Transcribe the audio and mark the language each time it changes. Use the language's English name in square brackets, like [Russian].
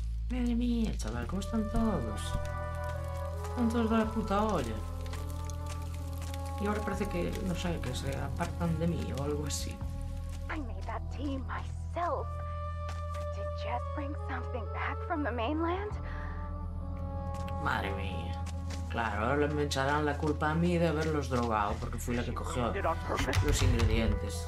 [Spanish] Madre mía, chaval, ¿cómo están todos? Están todos de la puta olla. Y ahora parece que, no sé, que se apartan de mí o algo así. [English] I made that tea myself. Did Jess bring something back from the mainland? [Spanish] Madre mía. Claro, ahora me echarán la culpa a mí de haberlos drogado, porque fui la que cogió los ingredientes.